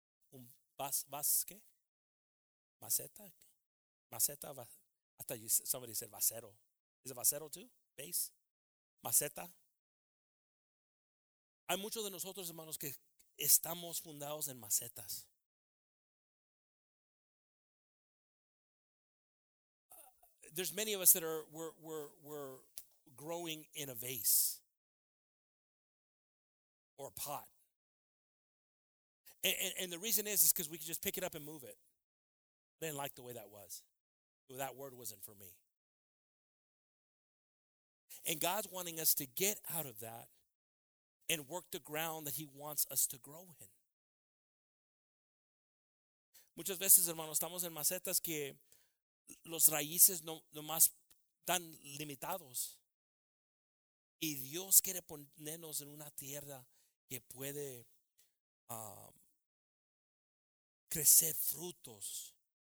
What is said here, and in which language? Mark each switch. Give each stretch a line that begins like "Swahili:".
Spanish: ¿Un vas qué? ¿Maceta? ¿Maceta?
English: I thought somebody said vasero. Is it vasero too?
Spanish: ¿Base? ¿Maceta? Hay muchos de nosotros, hermanos, que estamos fundados en macetas.
English: There's many of us that are we're growing in a vase or a pot, and the reason is because we can just pick it up and move it. I didn't like the way that was. That word wasn't for me. And God's wanting us to get out of that and work the ground that he wants us to grow in.
Spanish: Muchas veces, hermanos, estamos en macetas que los raíces no más tan limitados. Y Dios quiere ponernos en una tierra que puede crecer frutos.